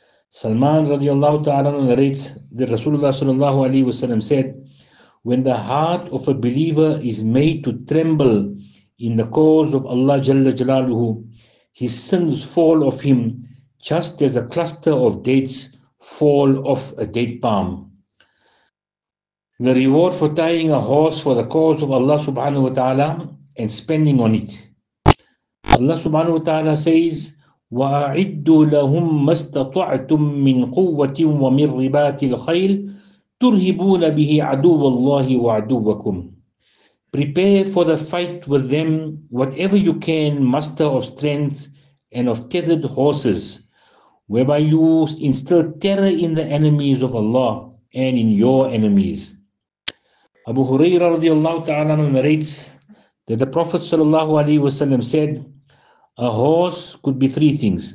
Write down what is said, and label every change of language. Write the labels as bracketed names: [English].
[English] Salman radiallahu ta'ala narrates that Rasulullah sallallahu alayhi wa sallam said, when the heart of a believer is made to tremble in the cause of Allah Jalla Jalaluhu, his sins fall off him just as a cluster of dates fall off a date palm. The reward for tying a horse for the cause of Allah subhanahu wa ta'ala and spending on it. Allah subhanahu wa ta'ala says, [Arabic] وَأَعِدُّ لَهُمْ مَا اسْتَطَعْتُمْ مِنْ قُوَّةٍ وَمِنْ رِبَاتِ الْخَيْلِ تُرْهِبُونَ بِهِ عَدُوَ اللَّهِ وَعَدُوَّكُمْ. [English] Prepare for the fight with them whatever you can muster of strength and of tethered horses, whereby you instill terror in the enemies of Allah and in your enemies. Abu Huraira radiallahu ta'ala narrates that the Prophet sallallahu alayhi wa sallam said, a horse could be three things.